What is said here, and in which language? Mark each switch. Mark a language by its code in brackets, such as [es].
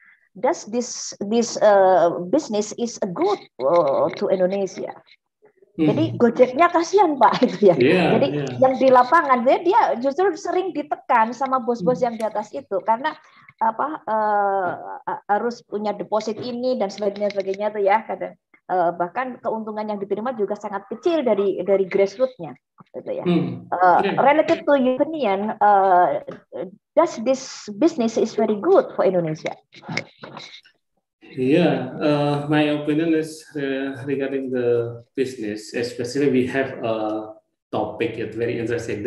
[en] Does this business is a good to Indonesia? [id] Jadi Gojeknya kasihan Pak itu ya. Jadi yang di lapangan dia justru sering ditekan sama bos-bos yang di atas itu karena apa harus punya deposit ini dan sebagainya tuh ya, kadang bahkan keuntungan yang diterima juga sangat kecil dari grassroots-nya gitu ya. [en] Related to your opinion, does this business is very good for Indonesia? Yeah, my opinion is regarding the business, especially we have a topic that's very interesting.